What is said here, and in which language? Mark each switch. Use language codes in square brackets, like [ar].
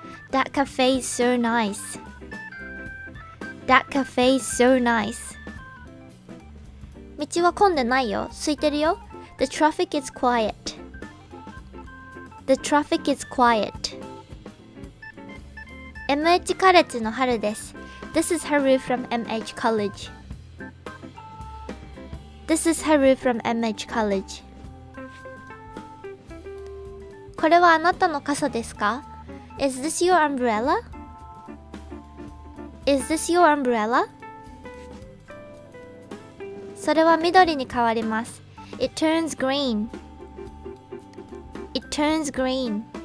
[en] That cafe is so nice. That cafe is so nice. [ja] 道は混んでないよ。空いてるよ。 [en] The traffic is quiet. The traffic is quiet. [ja] MH カレッジの春です。 [en] This is Haru from MH College. This is Haru from MH College. [ja] これはあなたの傘ですか? [en] Is this your umbrella? Is this your umbrella? [ja] それは緑に変わります。 [en] It turns green. It turns green.